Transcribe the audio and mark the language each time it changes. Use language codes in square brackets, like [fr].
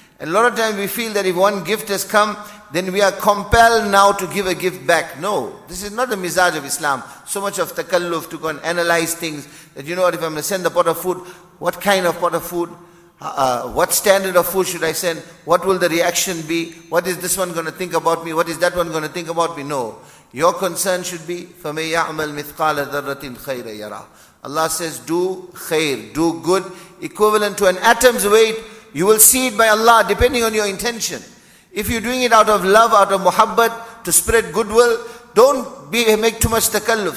[en] And a lot of times we feel that if one gift has come, then we are compelled now to give a gift back. No, this is not the mizaj of Islam. So much of takalluf to go and analyze things. That you know what, if I'm going to send a pot of food, what kind of pot of food? What standard of food should I send? What will the reaction be? What is this one going to think about me? What is that one going to think about me? No. Your concern should be, [ar] فَمَن يَعْمَلْ مِثْقَالَ ذَرَّةٍ خَيْرَ يَرَى. [en] Allah says, do khair, do good, equivalent to an atom's weight. You will see it by Allah, depending on your intention. If you're doing it out of love, out of muhabbat, to spread goodwill, don't make too much takalluf.